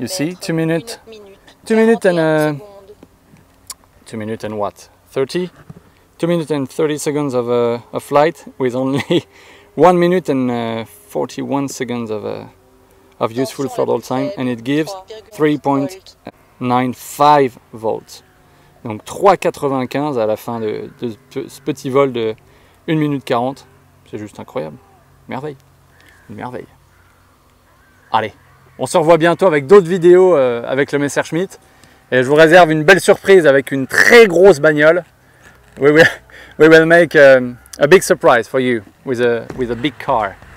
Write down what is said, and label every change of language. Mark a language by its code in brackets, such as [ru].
[en] You see, 2 minutes, 2 minutes and 2 minutes and what, 30? 2 minutes and 30 seconds of a flight with only 1 minute and 41 seconds of useful throttle time, and it gives 3.95 volts. [fr] Donc 3,95 à la fin de ce petit vol de 1 minute 40. C'est juste incroyable. Merveille. Une merveille. Allez, on se revoit bientôt avec d'autres vidéos avec le Messerschmitt. Et je vous réserve une belle surprise avec une très grosse bagnole. [en] We will make a big surprise for you with a big car.